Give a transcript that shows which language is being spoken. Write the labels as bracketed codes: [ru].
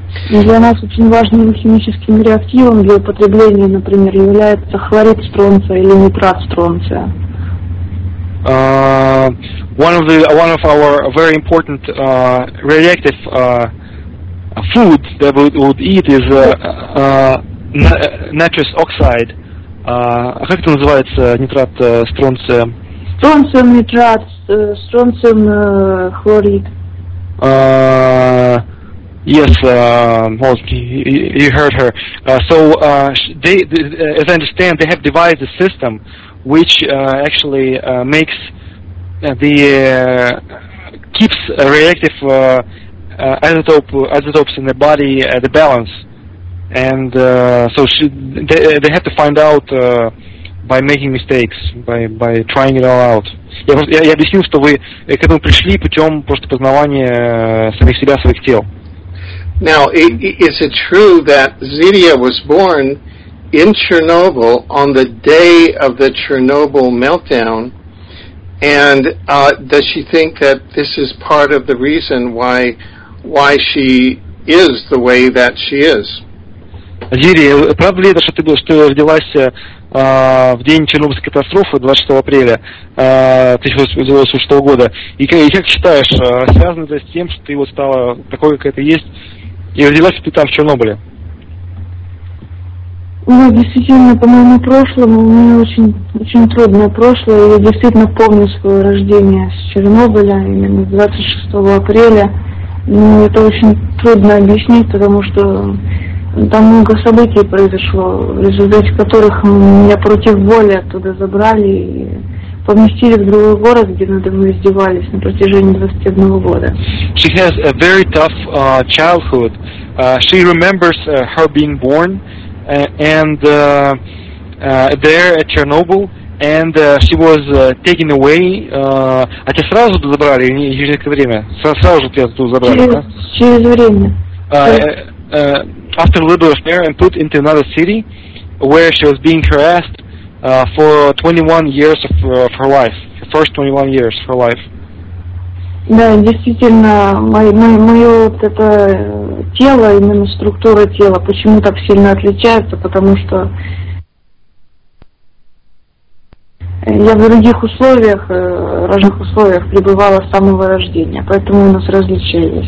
[ru] Для нас очень важным химическим реактивом для употребления, например, является хлорид стронция или нитрат стронция. [en] One of our very important radioactive food that we would eat is nitrous oxide. [ru] Как это называется, нитрат стронция? Стронцием нитрат, стронцием хлорид. [en] Yes, you heard her. So, as I understand, they have devised a system which actually makes the keeps radioactive isotopes in the body at the balance. And so she, they had to find out by making mistakes, by trying it all out. [ru] Я объяснил, что вы к этому пришли путем просто познавания самих себя, своих тел. [en] Now, is it true that Zidia was born in Chernobyl on the day of the Chernobyl meltdown? And does she think that this is part of the reason why she is the way that she is? [ru] Зидия, правда ли это, что ты родилась в день Чернобыльской катастрофы 26 апреля 1986 года? И как считаешь, связано это с тем, что ты вот стала такой, какая ты есть, и родилась ты там, в Чернобыле? Ну, действительно, по моему прошлому, у меня очень, очень трудное прошлое. Я действительно помню свое рождение с Чернобыля, именно 26 апреля. Но это очень трудно объяснить, потому что там много событий произошло, в результате которых меня против воли оттуда забрали и поместили в другой город, где надо мной издевались на протяжении 21 года. [en] She has a very tough childhood. She remembers her being born and there at Chernobyl, and she was taken away. [ru] А тебя сразу туда забрали или через какое время? Сразу же тебя туда забрали, через, да? Через время. [en] After a little bit of hair and put into another city where she was being harassed for 21 years of her life, the first 21 years of her life. [ru] Да, действительно, мое вот это тело, именно структура тела, почему так сильно отличается, потому что я в других условиях, разных условиях пребывала с самого рождения, поэтому у нас различия есть.